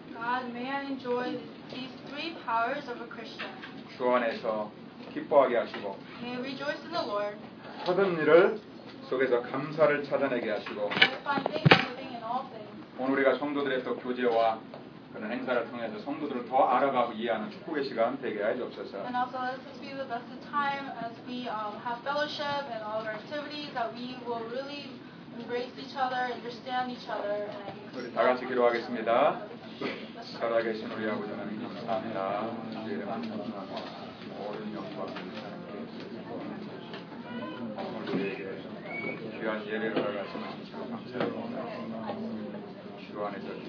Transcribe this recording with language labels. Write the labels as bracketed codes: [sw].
[en] God, may I enjoy these three powers of a Christian. [ko] 주 안에서 기뻐하게 하시고 [en] May I rejoice in the Lord. [ko] 모든 일을 속에서 감사를 찾아내게 하시고 [en] I find thanksgiving in all things. [ko] 오늘 우리가 성도들의 또 교제와 그런 행사를 통해서 성도들을 더 알아가고 이해하는 축복의 시간 되게 해주옵소서. [en] And also let this be the best time as we have fellowship and all of our activities that we will really embrace each other, understand each other. And [ko] 우리 다 같이 기도하겠습니다. 살아계신 우리 아버지 하나님 감사합니다. 주의 이름 감사하고 모든 영과 우리에게 귀한 예배를 하시는 주님 감사합니다. 주 안에서